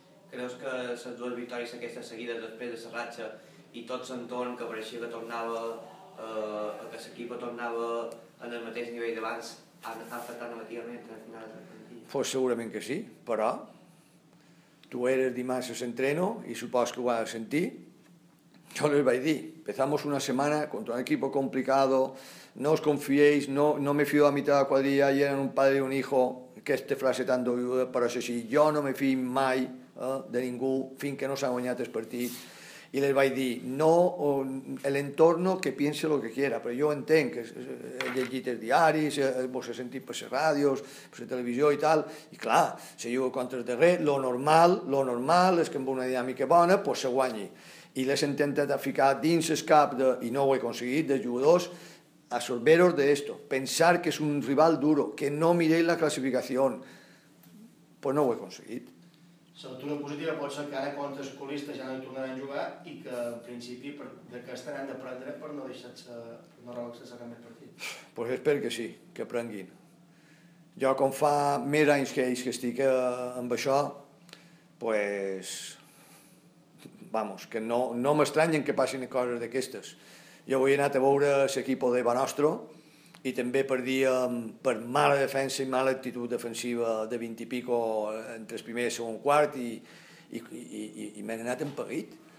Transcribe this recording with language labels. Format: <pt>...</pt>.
<ca>Creus que les dues victòries aquestes seguides després de la ratxa i tot l'entorn que pareixia que tornava, que l'equip tornava en el mateix nivell d'abans, han afectat negativament al final del partit? Pues segurament que sí, però tu eres dimarts a l'entreno i supos que ho vas sentir.</ca> <es>Yo les voy a decir, empezamos una semana contra un equipo complicado, no os confiéis, no me fío a mitad de la cuadrilla, y eran un padre y un hijo, que esta frase tan doyuda, pero eso sí, yo no me fío mai de ningún, fin que no se han guanyat el partit. Y les voy a decir, no, el entorno que piense lo que quiera, pero yo</es> <ca>entenc, que he llegit els diaris, vos he sentit per les ràdios, per la televisió i tal, i clar, si jugo contra el darrer, lo normal és que amb una dinàmica bona, pues se guanyi. I les he intentat ficar dins el cap, i no ho he aconseguit, de jugadors, absorberos d'això, pensar que és un rival duro, que no mireu la classificació, pues no ho he aconseguit. La lectura positiva pot ser que ara contra els colistes ja no hi tornaran a jugar i que en principi d'aquesta n'han d'aprendre per no deixar-se, per no relaxar-se cap més partit. Pues espero que sí, que aprenguin. Jo com fa més anys que ells que estic amb això, pues, vamos, que no m'estranyen que passin coses d'aquestes. Jo avui he anat a veure l'equip de Banostro i també perdíem per mala defensa i mala actitud defensiva de 20 i pico entre el primer i el segon quart i m'he anat empeguit.</ca>